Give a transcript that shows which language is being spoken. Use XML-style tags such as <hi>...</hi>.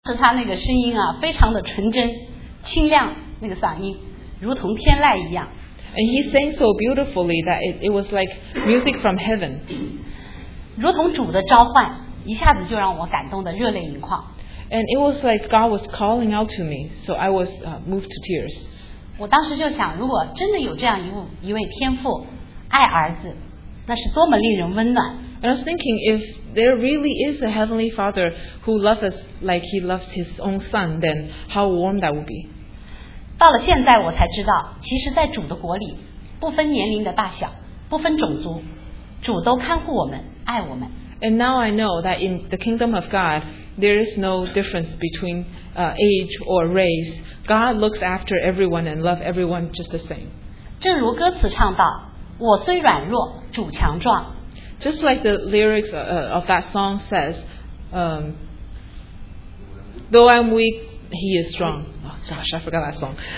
<zh>但他那个声音啊非常的纯真清亮，那个嗓音如同天籁一样。</zh> <en>And he sang so beautifully that it was like music from heaven.</en> <zh>如同主的召唤，一下子就让我感动得热泪盈眶。</zh> <en>And it was like God was calling out to me, so I was moved to tears.</en> <zh>我当时就想，如果真的有这样一位天父爱儿子，那是多么令人温暖。</zh> <en>And I was thinking, if there really is a heavenly Father who loves us like he loves his own son, then how warm that would be.</en> <zh>到了现在我才知道，其实在主的国里，不分年龄的大小，不分种族，主都看护我们，爱我们。</zh> <en>And now I know that in the kingdom of God, there is no difference between age or race. God looks after everyone and loves everyone just the same.</en> <zh>正如歌词唱道，我虽软弱，主强壮。</zh> <en>Just like the lyrics of that song says, though I'm weak, he is strong. Oh, gosh, I forgot that song.</en>